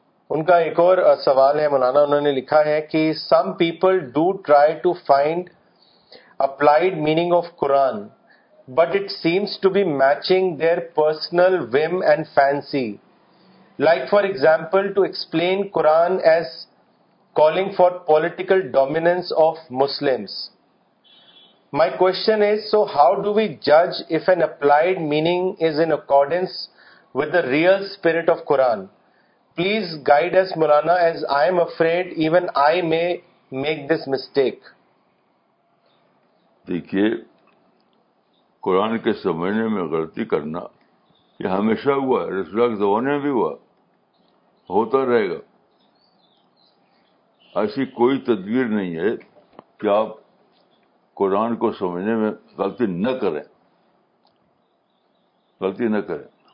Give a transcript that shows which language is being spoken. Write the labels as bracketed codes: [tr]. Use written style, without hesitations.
[ur] ان کا ایک اور سوال ہے مولانا, انہوں نے لکھا ہے کہ [en] Some people do try to find applied meaning of Quran but it seems to be matching their personal whim and fancy, like for example to explain Quran as calling for political dominance of Muslims. My question is, so how do we judge if an applied meaning is in accordance with the real spirit of Quran? Please guide us, Mulana, as I am afraid even I may make this mistake. [ur] دیکھیے قرآن کے سمجھنے میں غلطی کرنا یہ ہمیشہ ہوا ہے, رسول کے زمانے میں بھی ہوا, ہوتا رہے گا. ایسی کوئی تدبیر نہیں ہے کہ آپ قرآن کو سمجھنے میں غلطی نہ کریں, غلطی نہ کریں.